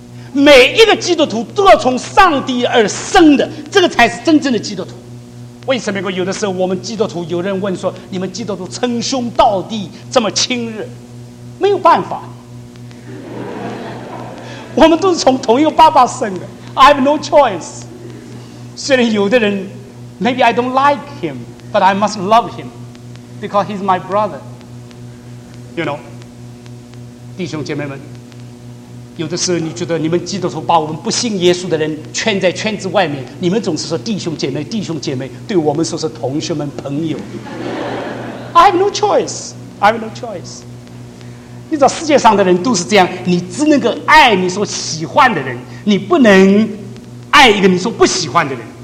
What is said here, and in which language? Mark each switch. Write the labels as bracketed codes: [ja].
[zh] 每一个基督徒都要从上帝而生的，这个才是真正的基督徒。为什么有的时候我们基督徒有人问说，你们基督徒称兄道弟这么亲热？没有办法，我们都是从同一个爸爸生的。 [en] I have no choice。虽然有的人 maybe I don't like him， but I must love him because he's my brother， you know。 [zh] 弟兄姐妹们，有的时候你觉得你们基督徒把我们不信耶稣的人圈在圈子外面，你们总是说弟兄姐妹，弟兄姐妹，对我们说是同学们朋友。 [en] I have no choice， I have no choice。 [zh] 你知道世界上的人都是这样，你只能够爱你所喜欢的人，你不能爱一个你所不喜欢的人。